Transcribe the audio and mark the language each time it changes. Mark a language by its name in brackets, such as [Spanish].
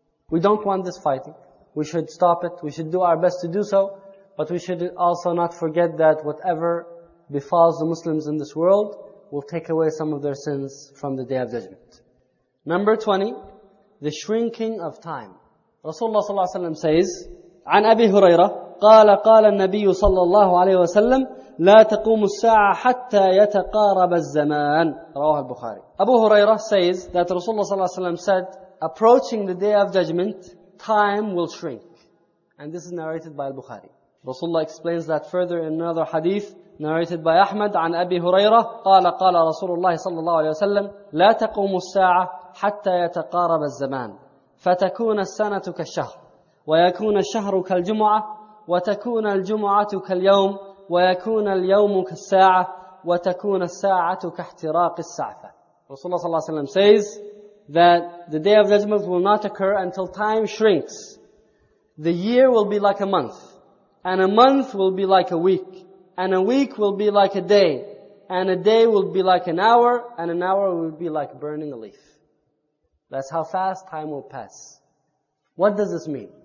[English] We don't want this fighting. We should stop it. We should do our best to do so. But we should also not forget that whatever befalls the Muslims in this world will take away some of their sins from the Day of Judgment. Number 20, the shrinking of time. Rasulullah sallallahu alayhi wa sallam says, [Arabic] عن أبي هريرة قال قال النبي صلى الله عليه وسلم لا تقوم الساعة حتى يتقارب الزمان. رواه البخاري. [English] Abu Huraira says that Rasulullah sallallahu alayhi wa sallam said, approaching the Day of Judgment, time will shrink. And this is narrated by al-Bukhari. Rasulullah explains that further in another hadith narrated by Ahmad [Arabic] عن أبي هريرة قال قال رسول الله صلى الله عليه وسلم لا تقوم الساعة حتى يتقارب الزمان فتكون السنة كالشهر ويكون الشهر كالجمعة وتكون الجمعة كاليوم ويكون اليوم كالساعة وتكون الساعة كاحتراق السعفة. [English] Rasulullah [Arabic] صلى الله عليه وسلم [English] says that the Day of Judgment will not occur until time shrinks. The year will be like a month. And a month will be like a week. And a week will be like a day. And a day will be like an hour. And an hour will be like burning a leaf. That's how fast time will pass. What does this mean?